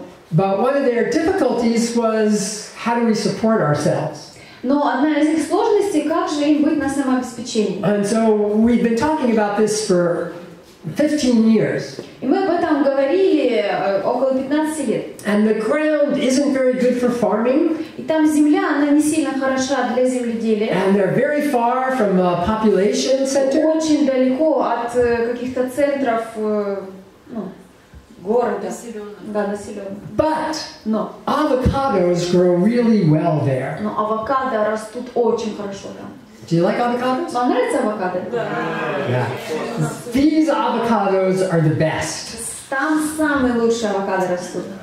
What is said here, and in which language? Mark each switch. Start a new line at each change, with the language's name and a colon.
English: But one of their difficulties was, how do we support ourselves?
Russian: Но одна из их сложностей, как же им быть на самообеспечении?
English: And so we've been talking about this for 15 years.
Russian: И мы об этом говорили около 15 лет.
English: And the ground isn't very good for farming.
Russian: И там земля, она не сильно хороша для земледелия.
English: And they're very far from a population center.
Russian: Очень далеко от каких-то центров, города. Да, населённых.
English: But avocados grow really well there.
Russian: Но авокадо растут очень хорошо там.
English: Do you like avocados?
Russian: Вам нравятся авокадо? Да.
English: Yeah. These avocados are the best.
Russian: Там самые лучшие авокадо растут.